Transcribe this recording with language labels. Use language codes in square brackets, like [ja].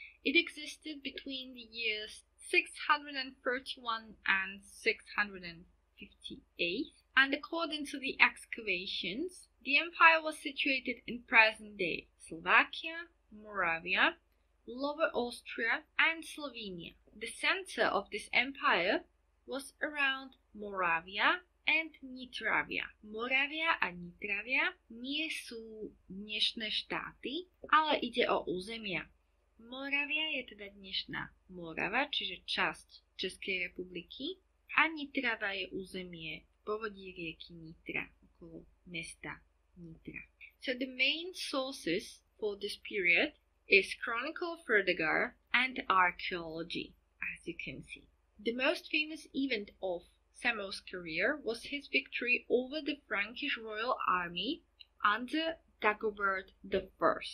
[en] It existed between the years 631 and 658, and according to the excavations, the empire was situated in present-day Slovakia, Moravia, Lower Austria, and Slovenia. The center of this empire was around Moravia and Nitravia. [sk] Moravia a Nitravia nie sú dnešné štáty, ale ide o územia. Moravia je teda dnešná Morava, čiže časť Českej republiky, a Nitrava je územie v povodí rieky Nitra, okolo mesta Nitra. [en] So the main sources for this period is Chronicle of Fredegar and archaeology, as you can see. The most famous event of Samo's career was his victory over the Frankish royal army under Dagobert I.